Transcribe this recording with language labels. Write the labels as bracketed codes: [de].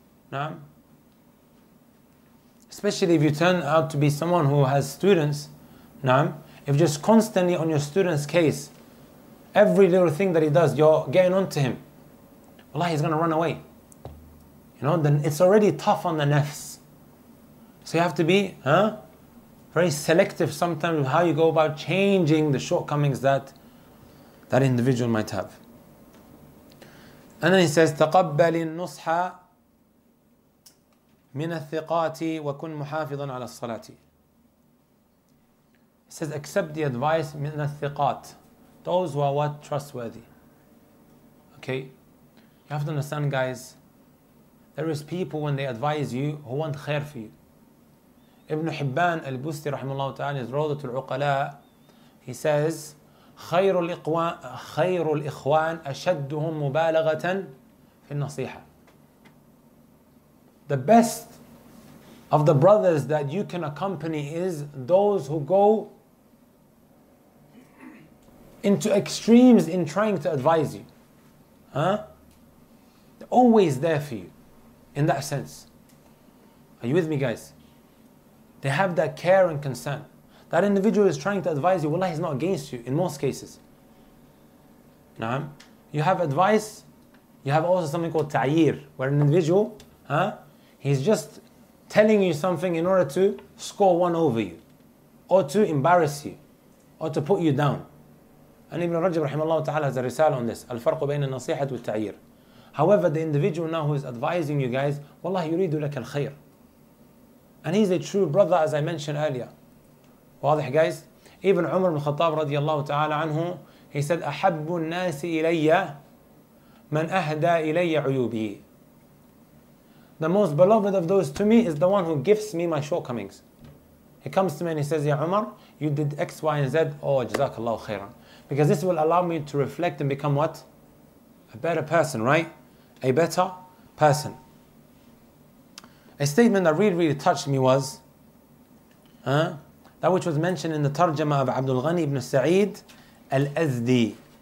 [en] Now, especially if you turn out to be someone who has students, Naam, if just constantly on your student's case, every little thing that he does, you're getting onto him, wallahi, he's going to run away. You know, then it's already tough on the nafs. So you have to be very selective sometimes with how you go about changing the shortcomings that that individual might have. And then he says, [ar] تقبل النصحة من الثقات وكن محافظا على الصلاة. [en] It says, accept the advice [ar] من الثقات. [en] Those who are what? Trustworthy. Okay? You have to understand, guys, there is people when they advise you who want khair for you. Ibn Hibban al-Busti rahimahullah ta'ala is Rawdatu al-Uqala. He says, [ar] خير الإخوان خير الإخوان أشدهم مبالغة في النصيحة. [en] The best of the brothers that you can accompany is those who go into extremes in trying to advise you. Huh? They're always there for you in that sense. Are you with me, guys? They have that care and concern. That individual is trying to advise you, wallahi, he's not against you in most cases. Naam. You have advice, you have also something called ta'yir, where an individual, he's just telling you something in order to score one over you, or to embarrass you, or to put you down. And Ibn Rajab rahimahullah ta'ala has a risal on this, al-farqu bayna an-nasihah wa ta'yir. However, the individual now who is advising you guys, wallahi, yuridu lak al-khayr. And he's a true brother, as I mentioned earlier. [ar] واضح [en] guys. Even Umar ibn Khattab [ar] رضي الله تعالى عنه, [en] he said, [ar] أحب الناس إلي من أهدى إلي عيوبي. [en] The most beloved of those to me is the one who gives me my shortcomings. He comes to me and he says, [ar] يا عمر, [en] you did X, Y, and Z. [ar] Oh, جزاك الله خيرا. [en] Because this will allow me to reflect and become what? A better person, right? A better person. A statement that really, really touched me was, that which was mentioned in the tarjama of Abdul Ghani ibn Sa'id al-Azdi.